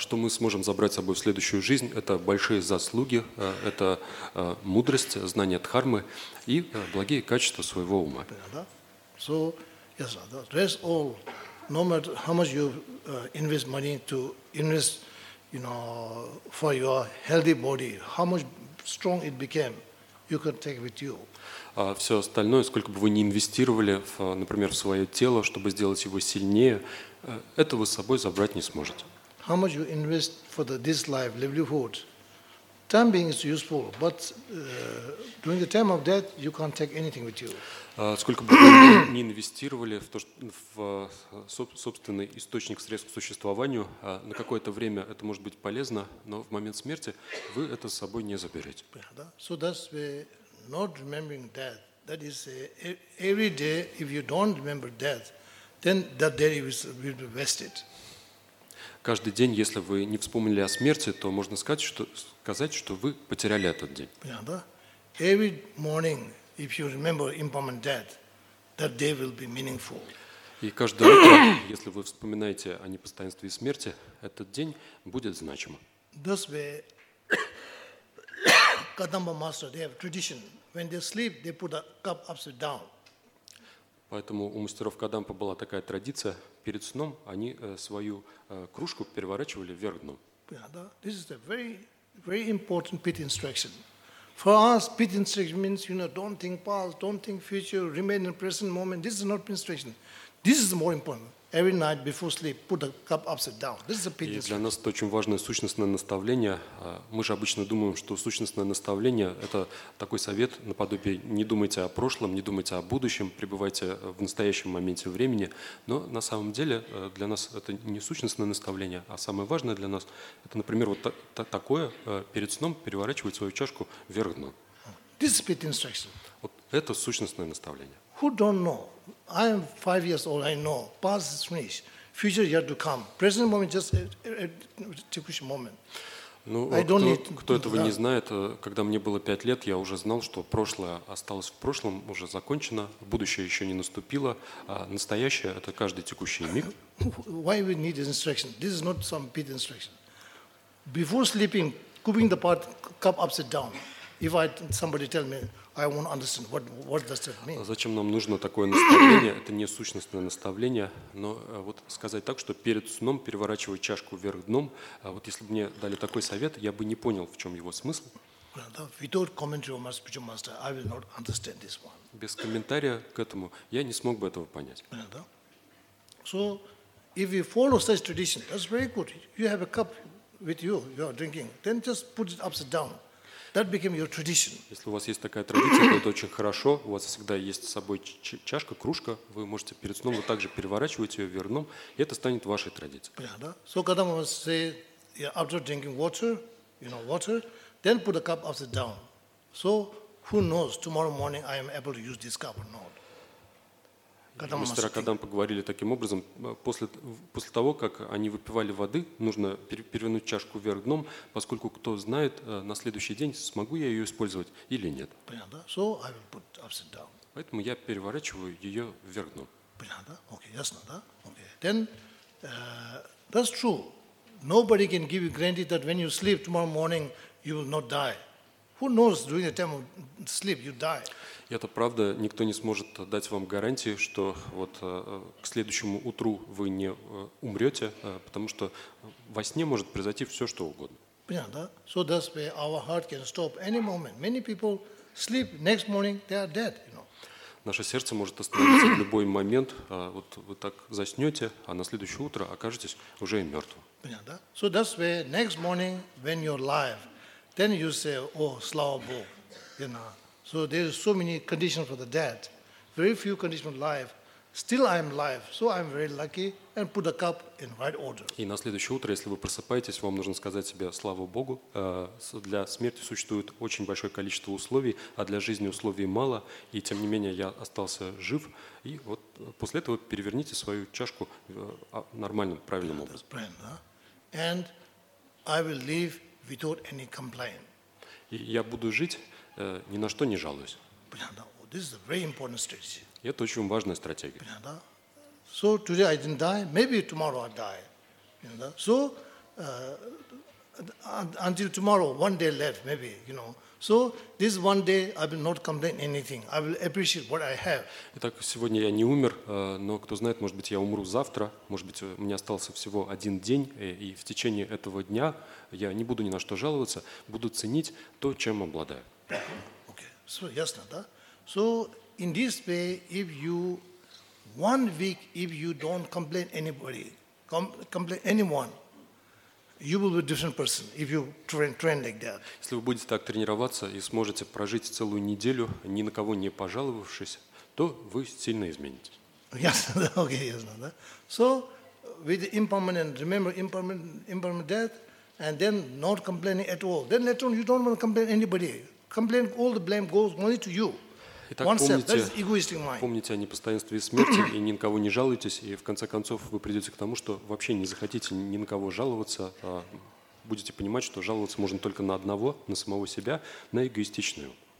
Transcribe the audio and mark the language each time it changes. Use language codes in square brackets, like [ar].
[ru] Что мы сможем забрать с собой в следующую жизнь? Это большие заслуги, это мудрость, знание дхармы и благие качества своего ума. [en] So, yes, that's all. No matter how much you invest money to invest, you know, for your healthy body, how much strong it became, you can take with you. [ru] Все остальное, сколько бы вы ни инвестировали, в, например, в свое тело, чтобы сделать его сильнее, это вы с собой забрать не сможете. [en] How much you invest for this life, livelihood? Time being is useful, but during the time of death, you can't take anything with you. [ru] Сколько бы вы ни инвестировали в, то, в собственный источник средств к существованию, на какое-то время это может быть полезно, но в момент смерти вы это с собой не заберете. [en] So that's the not remembering death. That is every day, if you don't remember death, then that day will be wasted. [ru] Каждый день, если вы не вспомнили о смерти, то можно сказать, что вы потеряли этот день. Yeah, да? [en] Every morning, if you remember impermanent death, that day will be meaningful. [ru] И каждое утро, если вы вспоминаете о непостоянстве и смерти, этот день будет значим. [en] That's why Kadamba master, they have tradition. When they sleep, they put a cup upside down. [ru] Поэтому у мастеров Кадампа была такая традиция. Перед сном они свою кружку переворачивали вверх дном. [en] This is a very, very important pit instruction. For us, pit instruction means, you know, don't think past, don't think future, remain in the present moment. This is not pit instruction. This is more important. Every night before sleep, put the cup upside down. This is a pit instruction. [ru] Для нас это очень важное сущностное наставление. Мы же обычно думаем, что сущностное наставление – это такой совет наподобие «не думайте о прошлом, не думайте о будущем, пребывайте в настоящем моменте времени». Но на самом деле для нас это не сущностное наставление, а самое важное для нас – это, например, вот такое перед сном переворачивать свою чашку вверх дном. [en] This is pit instruction. [ru] Вот это сущностное наставление. [en] Who don't know? I am 5 years old, I know. Past is finished. Future yet to come. Present moment just a [ru] текущий момент. Ну, кто этого не знает, когда мне было 5 лет, я уже знал, что прошлое осталось в прошлом, уже закончено, будущее еще не наступило, а настоящее – это каждый текущий миг. [en] Why we need this instruction? This is not some pit instruction. Before sleeping, keeping the pot cup upside down. If I, somebody tell me, I won't understand what does that mean. [ru] Зачем нам нужно такое наставление? Это не сущностное наставление, но вот сказать так, что перед сном переворачивать чашку вверх дном, вот если бы мне дали такой совет, я бы не понял, в чем его смысл. [en] Without commentary of my spiritual master, I will not understand this one. [ru] Без комментария к этому я не смог бы этого понять. [en] So, if you follow such tradition, that's very good. You have a cup with you, you are drinking. Then just put it upside down. That became your tradition. [ru] Если у вас есть такая традиция, то это очень хорошо. У вас всегда есть с собой чашка, кружка. Вы можете перед сном вот так же переворачивать ее вверх дном, и это станет вашей традицией. Yeah, да? [en] So, [ru] когда мы [en] say, after drinking water, you know, water, then put a cup upside down. So, who knows, tomorrow morning I am able to use this cup or not. [ru] Мистера Кадам поговорили таким образом. После того, как они выпивали воды, нужно перевернуть чашку вверх дном, поскольку кто знает на следующий день, смогу я ее использовать или нет. [en] So I will put upside down. [ru] Поэтому я переворачиваю ее вверх дном. Ясно, да? [en] Then, that's true. Nobody can give you guarantee that when you sleep tomorrow morning, you will not die. Who knows during the time of sleep you die? [ru] Это правда, никто не сможет дать вам гарантии, что вот к следующему утру вы не умрете, потому что во сне может произойти все, что угодно. Понятно, да? [en] So that's where our heart can stop any moment. Many people sleep, next morning they are dead, you know. [ru] Наше сердце может остановиться в любой момент. Вот вы так заснете, а на следующее утро окажетесь уже и мертвым. Понятно, да? [en] So that's where next morning, when you're alive, then you say, oh, [ru] слава Богу, [en] you know. So there are so many conditions for the dead, very few conditions for life. Still I am alive, so I am very lucky and put the cup in right order. [ru] И на следующее утро, если вы просыпаетесь, вам нужно сказать себе слава Богу. Для смерти существует очень большое количество условий, а для жизни условий мало. И тем не менее я остался жив. И вот после этого переверните свою чашку нормальным, правильным образом. Правильно, да? [en] And I will live without any complaint. [ru] И я буду жить. Ни на что не жалуюсь. Понятно. [en] This is a very important strategy. [ru] И это очень важная стратегия. Понятно. [en] So today I didn't die. Maybe tomorrow I die. You know. So until tomorrow, one day left, maybe. You know. So this one day I will not complain anything. I will appreciate what I have. [ru] Итак, сегодня я не умер, но кто знает, может быть, я умру завтра. Может быть, у меня остался всего один день, и в течение этого дня я не буду ни на что жаловаться, буду ценить то, чем обладаю. Okay, so ясно, да? [en] So in this way, if you one week, if you don't complain anybody, complain anyone, you will be a different person. If you train like that. [ru] Если вы будете так тренироваться и сможете прожить целую неделю ни на кого не пожаловавшись, то вы сильно изменитесь. Ясно, да? Okay, ясно, да? [en] So with the impermanent, remember impermanent death, and then not complaining at all. Then later on, you don't want to complain anybody. Complain, all the blame goes only to you. [ru] Итак, помните о непостоянстве смерти и ни на кого не жалуйтесь, и в конце концов вы придете к тому, что вообще не захотите ни на кого жаловаться, а будете понимать, что жаловаться можно только на одного, на самого себя, на эгоистичную.